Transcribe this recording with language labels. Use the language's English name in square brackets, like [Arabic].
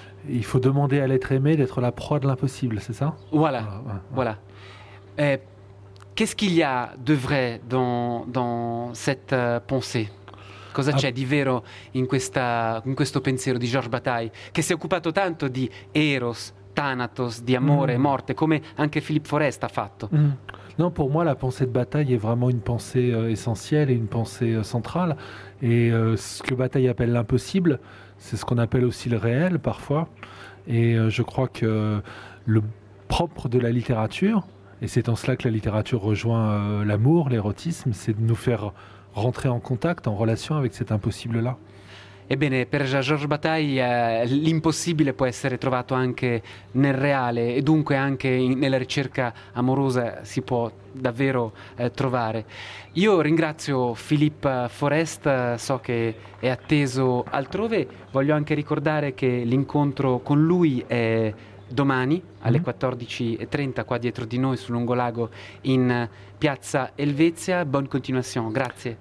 [French] Il faut demander à l'être aimé d'être la proie de l'impossible, c'est ça ? Voilà, voilà. Qu'est-ce qu'il y a de vrai dans cette pensée ? [Italian] Cosa c'è di vero in questo pensiero di Georges Bataille, che si è occupato tanto di Eros, Thanatos, di amore e morte, come anche Philippe Forest ha fatto? [French] Non, pour moi, la pensée de Bataille est vraiment une pensée essentielle et une pensée centrale. Et ce que Bataille appelle l'impossible, c'est ce qu'on appelle aussi le réel parfois. Et je crois que le propre de la littérature, et c'est en cela que la littérature rejoint l'amour, l'érotisme, c'est de nous faire rentrer en contact, en relation avec cet impossible-là. [Italian] Ebbene, per Georges Bataille l'impossibile può essere trovato anche nel reale e dunque anche nella ricerca amorosa si può davvero trovare. Io ringrazio Philippe Forest, so che è atteso altrove, voglio anche ricordare che l'incontro con lui è domani alle 14.30 qua dietro di noi sul Lungolago in Piazza Helvetia. Buona continuazione, grazie.